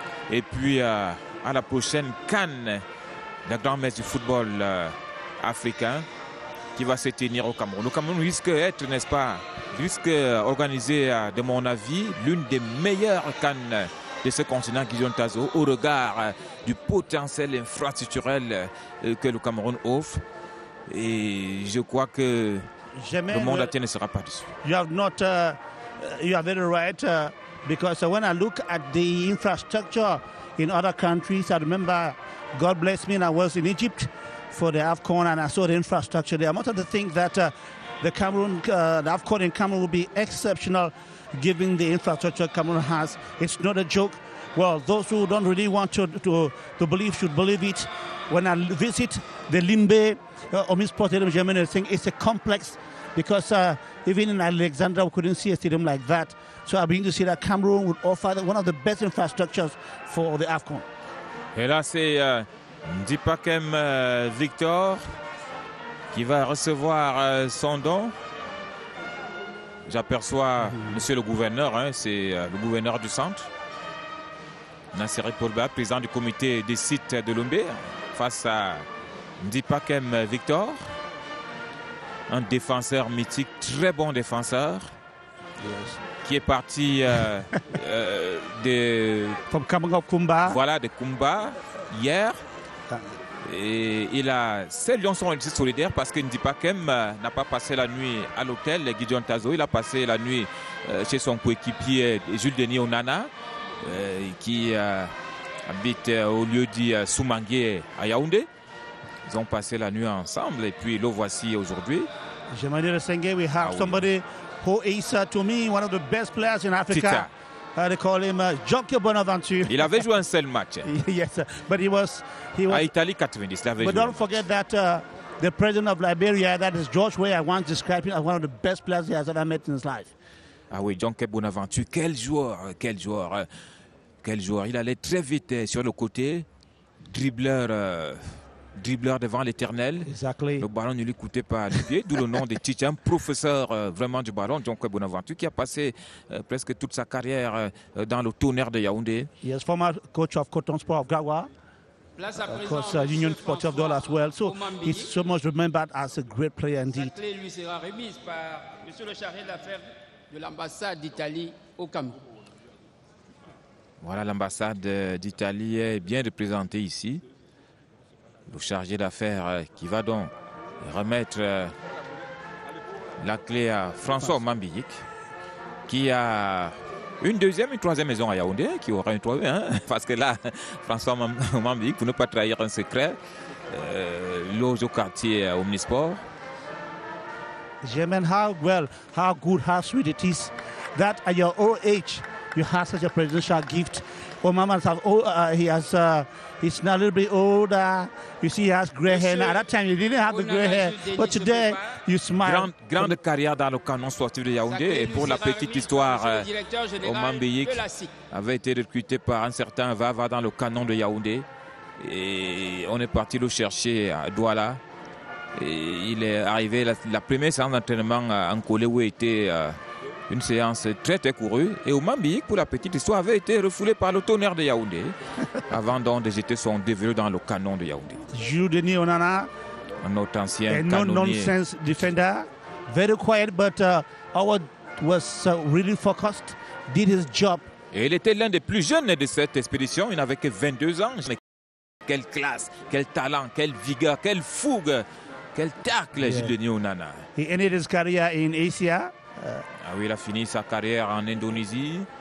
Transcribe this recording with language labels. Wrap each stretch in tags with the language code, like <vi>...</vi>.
<fr>Et puis à la prochaine CAN, la grande messe du football africain qui va se tenir au Cameroun. Le Cameroun risque d'être, n'est-ce pas, risque d'organiser, de mon avis, l'une des meilleures CAN de ce continent, Guillaume Tazo, au regard du potentiel infrastructurel que le Cameroun offre. Et je crois que jamais le monde athée ne sera pas dessus.</fr> <en>You have not, you are very right, because when I look at the infrastructure in other countries, I remember, God bless me, and I was in Egypt for the AFCON and I saw the infrastructure there. Most of the things that the Cameroon, the AFCON in Cameroon will be exceptional given the infrastructure Cameroon has. It's not a joke. Well, those who don't really want to believe should believe it. When I visit the Limbe, Omis Stadium, Germany, I think it's a complex because even in Alexandria, we couldn't see a stadium like that. So I begin to see that Cameroon would offer one of the best infrastructures for the AFCON.</en> <fr>Et là, c'est Dipakem Victor qui va recevoir son don. J'aperçois Monsieur le gouverneur, hein, c'est le gouverneur du centre. Nasseri Polba, président du comité des sites de Lumbé, face à Dipakem Victor. Un défenseur mythique, très bon défenseur. Yes. Qui est parti de...</fr> <en>From coming of Kumba.</en> <fr>Voilà, de Kumba, hier. Et il a... Ces Lions sont aussi solidaires parce que Ndipakem n'a pas passé la nuit à l'hôtel, Guillaume Tazo. Il a passé la nuit chez son coéquipier Jules-Denis Onana, qui habite au lieu dit Soumangué à Yaoundé. Ils ont passé la nuit ensemble et puis le voici aujourd'hui. J'aimerais dire, Sengé,</fr> <en>we have somebody... who is, to me, one of the best players in Africa. They call him Jockey Bonaventure.</en> <fr>Il avait joué un seul match.</fr> <en>Yes, but he was...</en> <fr>À Italie 90, il avait</fr> <en>but But don't forget that the president of Liberia, that is George Weah, once described him as one of the best players he has ever met in his life.</en> <fr>Ah oui, Jockey Bonaventure, quel joueur. Il allait très vite sur le côté, dribbleur devant l'éternel.</fr> <en>Exactly.</en> <fr>Le ballon ne lui coûtait pas les pieds, d'où le nom de Tite, un professeur vraiment du ballon, Jockey Bonaventure, qui a passé presque toute sa carrière dans le tonnerre de Yaoundé.</fr> <en>Yes, former coach of Coton Sport of Gawa. Of course, Union Sports of Dollar as well. So he's so much remembered as a great player indeed.</en> <fr>La clé lui sera remise par Monsieur le chargé d'affaires de l'ambassade d'Italie au Cameroun. Voilà, l'ambassade d'Italie est bien représentée ici. Le chargé d'affaires qui va donc remettre la clé à François Mambiyik, qui a une deuxième, une troisième maison à Yaoundé, qui aura une troisième, hein, parce que là, François Mambiyik, pour ne pas trahir un secret, loge au quartier Omnisport.</fr> <en>Germain, how well, how good, how sweet it is that at your old age, you have such a presidential gift. Oh, Mama, he's now a little bit older. You see, he has gray hair. Now, at that time, you didn't have the gray hair. But today, you smile.</en> <fr>Grande carrière dans le canon sportif de Yaoundé. Et pour la petite histoire, Oman Biyik avait été recruté par un certain Vava dans le canon de Yaoundé. Et on est parti le chercher à Douala. Et il est arrivé, la première séance d'entraînement en collé où il était... une séance très très courue. Et Oman Biyik, pour la petite histoire, avait été refoulé par le tonnerre de Yaoundé avant donc de jeter son dévelu dans le canon de Yaoundé. Jules-Denis Onana, un autre ancien canonnier. Un</fr> <en>no-nonsense defender. Very quiet, but Howard was really focused, did his job.</en> <fr>Et il était l'un des plus jeunes de cette expédition. Il n'avait que 22 ans. Mais quelle classe, quel talent, quelle vigueur, quelle fougue, quel tacle, yeah. Jules-Denis Onana.</fr> <en>He ended his career in Asia.</en> <fr>Ah oui, il a fini sa carrière en Indonésie.</fr>